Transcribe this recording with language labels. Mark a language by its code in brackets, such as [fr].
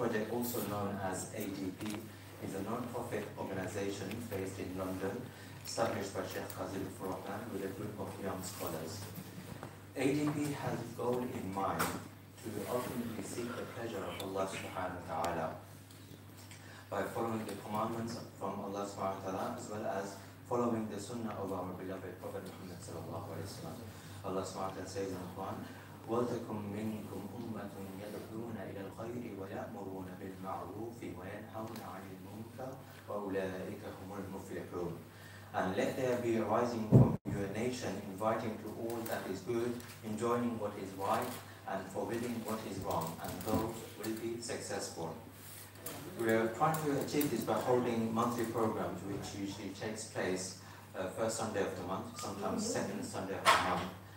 [en] Also known as ADP, is a non-profit organization based in London, established by Sheikh Kazi with a group of young scholars. ADP has a goal in mind to ultimately seek the pleasure of Allah subhanahu wa ta'ala by following the commandments from Allah subhanahu wa ta'ala, as well as following the sunnah of our beloved Prophet Muhammad sallallahu alayhi wa sallam. [ar] Allah subhanahu wa ta'ala [en] says in the Quran, [ar] وَلْتَكُمْ مِنْكُمْ أُمَّةٌ يَدْعُونَ إِلَى الْخَيْرِ وَيَأْمُرُونَ بِالْمَعْرُوفِ وَيَنْهَوْنَ عَنِ الْمُنْكَرِ وَأُولَٰئِكَ هُمُ الْمُفْلِحُونَ. [en] And let there be a rising from your nation, inviting to all that is good, enjoining what is right, and forbidding what is wrong, and those will be successful. We are trying to achieve this by holding monthly programs, which usually takes place first Sunday of the month, sometimes second Sunday of the month.